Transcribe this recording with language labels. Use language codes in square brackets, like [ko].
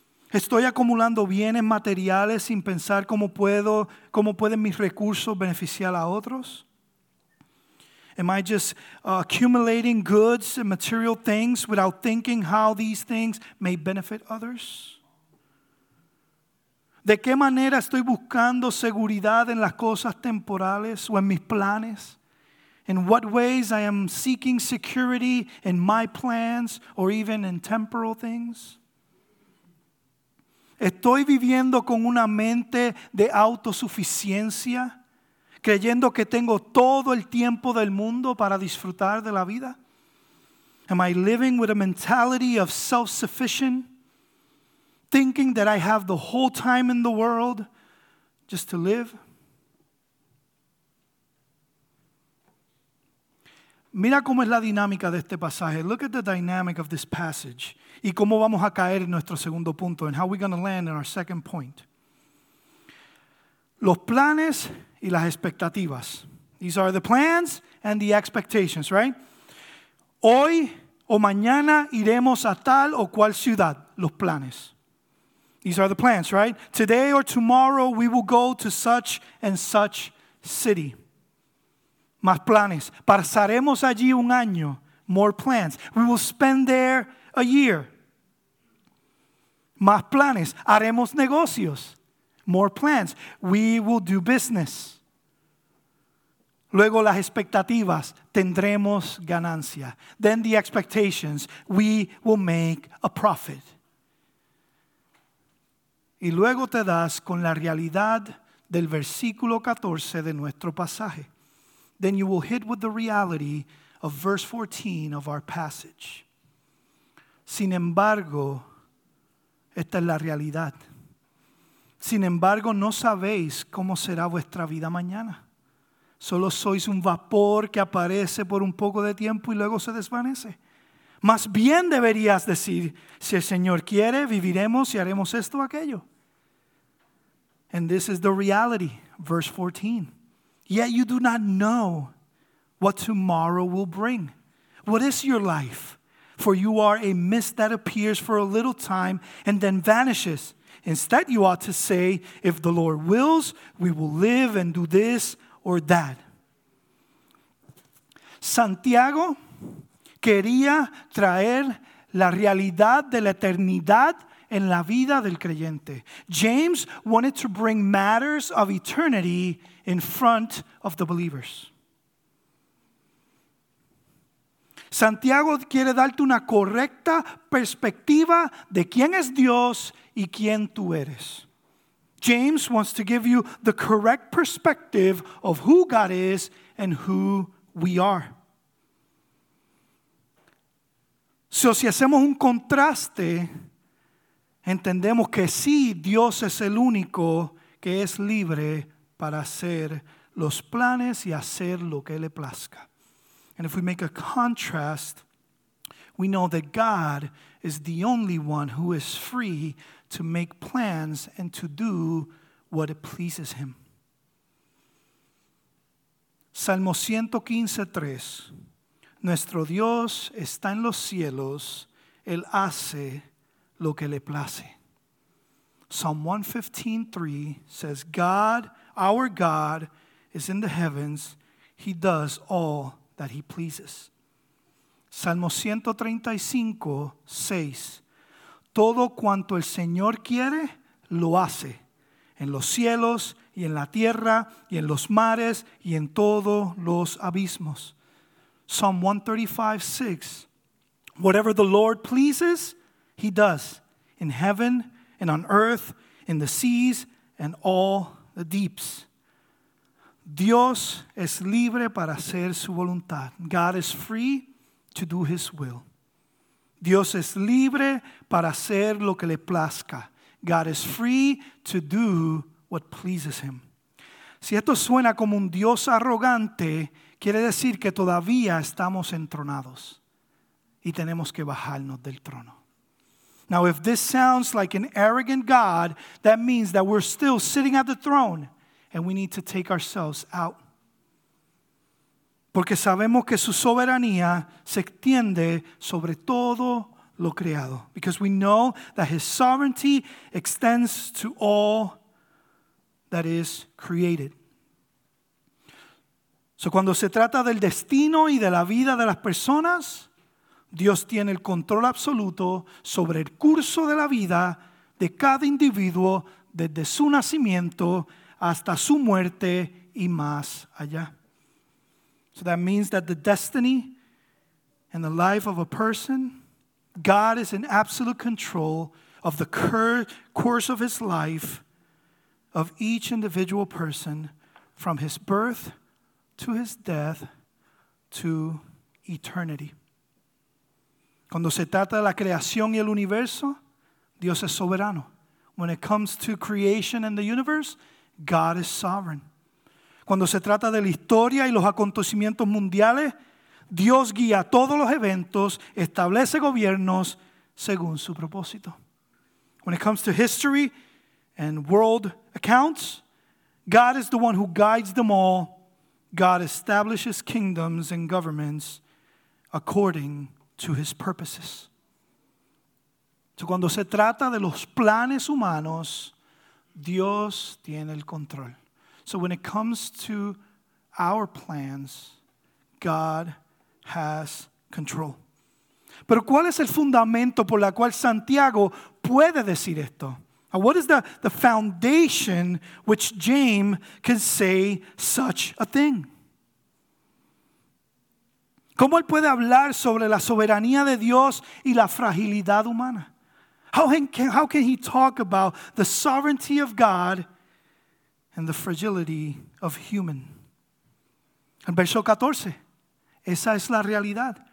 [es] ¿Estoy acumulando bienes materiales sin pensar cómo pueden mis recursos beneficiar a otros? [en] Am I just accumulating goods and material things without thinking how these things may benefit others? [es] ¿De qué manera estoy buscando seguridad en las cosas temporales o en mis planes? [en] In what ways I am seeking security in my plans or even in temporal things? [es] ¿Estoy viviendo con una mente de autosuficiencia, creyendo que tengo todo el tiempo del mundo para disfrutar de la vida? [en] Am I living with a mentality of self-sufficient, thinking that I have the whole time in the world just to live? [es] Mira cómo es la dinámica de este pasaje. [en] Look at the dynamic of this passage. [es] Y cómo vamos a caer en nuestro segundo punto. [en] And how we're going to land in our second point. [es] Los planes y las expectativas. [en] These are the plans and the expectations, right? [es] Hoy o mañana iremos a tal o cual ciudad. Los planes. [en] These are the plans, right? Today or tomorrow we will go to such and such city. [es] Más planes. Pasaremos allí un año. [en] More plans. We will spend there a year. [es] Más planes. Haremos negocios. [en] More plans. We will do business. [es] Luego las expectativas. Tendremos ganancia. [en] Then the expectations. We will make a profit. [es] Y luego te das con la realidad del versículo 14 de nuestro pasaje. [en] Then you will hit with the reality of verse 14 of our passage. [es] Sin embargo, esta es la realidad. Sin embargo, no sabéis cómo será vuestra vida mañana. Solo sois un vapor que aparece por un poco de tiempo y luego se desvanece. Más bien deberías decir, si el Señor quiere, viviremos y haremos esto o aquello. [en] And this is the reality, verse 14. Yet you do not know what tomorrow will bring. What is your life? For you are a mist that appears for a little time and then vanishes. Instead, you ought to say, if the Lord wills, we will live and do this or that. [es] Santiago quería traer la realidad de la eternidad en la vida del creyente. [en] James wanted to bring matters of eternity in front of the believers. [es] Santiago quiere darte una correcta perspectiva de quién es Dios y quién tú eres. [en] James wants to give you the correct perspective of who God is and who we are. [es] Si hacemos un contraste, entendemos que sí, Dios es el único que es libre para hacer los planes y hacer lo que le plazca. [en] And if we make a contrast, we know that God is the only one who is free to make plans and to do what it pleases him. [es] Salmo 115:3. Nuestro Dios está en los cielos, Él hace lo que le place. [en] Psalm 115:3 says, God, our God, is in the heavens. He does all that he pleases. [es] Salmo 135:6. Todo cuanto el Señor quiere, lo hace. En los cielos, y en la tierra, y en los mares, y en todos los abismos. [en] Psalm 135:6. Whatever the Lord pleases, he does. In heaven and on earth, in the seas and all the deeps. [es] Dios es libre para hacer su voluntad. [en] God is free to do his will. [es] Dios es libre para hacer lo que le plazca. [en] God is free to do what pleases him. [es] Si esto suena como un Dios arrogante, quiere decir que todavía estamos entronados y tenemos que bajarnos del trono. [en] Now, if this sounds like an arrogant God, that means that we're still sitting at the throne and we need to take ourselves out. [es] Porque sabemos que su soberanía se extiende sobre todo lo creado. [en] Because we know that his sovereignty extends to all that is created. [es] So cuando se trata del destino y de la vida de las personas, Dios tiene el control absoluto sobre el curso de la vida de cada individuo desde su nacimiento hasta su muerte y más allá. [en] So that means that the destiny and the life of a person, God is in absolute control of the course of his life, of each individual person, from his birth to his death to eternity. [es] Cuando se trata de la creación y el universo, Dios es soberano. [en] When it comes to creation and the universe, God is sovereign. [es] Cuando se trata de la historia y los acontecimientos mundiales, Dios guía todos los eventos, establece gobiernos según su propósito. [en] When it comes to history and world accounts, God is the one who guides them all. God establishes kingdoms and governments according to his purposes. [es] So cuando se trata de los planes humanos, Dios tiene el control. [en] So when it comes to our plans, God has control. [es] Pero ¿cuál es el fundamento por la cual Santiago puede decir esto? [en] What is the foundation which James can say such a thing? [es] ¿Cómo él puede hablar sobre la soberanía de Dios y la fragilidad humana? [en] How can he talk about the sovereignty of God and the fragility of human? [es] El verso 14, esa es la realidad.